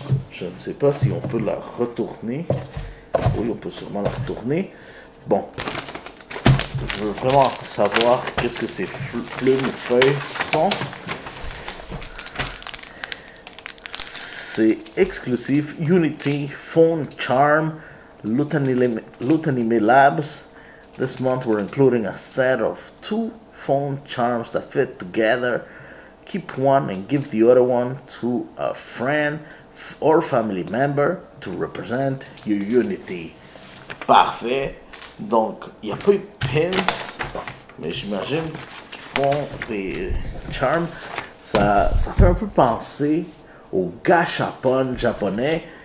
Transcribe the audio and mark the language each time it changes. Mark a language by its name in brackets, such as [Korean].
[French] Je ne sais pas si on peut la retourner. Oui, on peut sûrement la retourner. Bon, je veux vraiment savoir qu'est-ce que ces plumes ou feuilles sont. C'est exclusif Unity Phone Charm. Lutanime Labs. [English] This month we're including a set of two phone charms that fit together. Keep one and give the other one to a friend or family member to represent your unity. [French] Parfait. Donc, il n'y a pas eu de pins, mais j'imagine qu'ils font des charms. Ça fait un peu penser au gachapon japonais.